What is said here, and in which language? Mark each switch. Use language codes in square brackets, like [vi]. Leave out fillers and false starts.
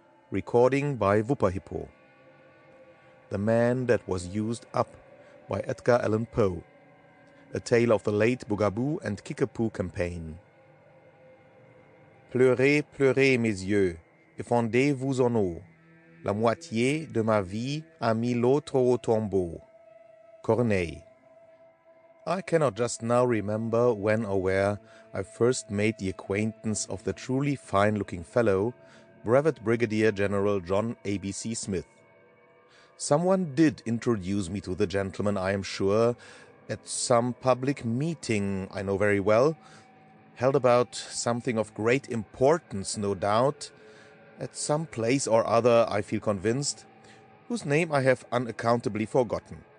[en] Recording by Vupahipo. The Man That Was Used Up by Edgar Allan Poe. A Tale of the Late Bugaboo and Kickapoo Campaign. [fr] Pleurez, pleurez, mes yeux, et fondez-vous en eau. La moitié de ma vie a mis l'autre au tombeau. Corneille. [en] I cannot just now remember when or where I first made the acquaintance of the truly fine-looking fellow, Brevet Brigadier General John A.B.C. Smith. Someone did introduce me to the gentleman, I am sure, at some public meeting I know very well, held about something of great importance, no doubt, at some place or other, I feel convinced, whose name I have unaccountably forgotten.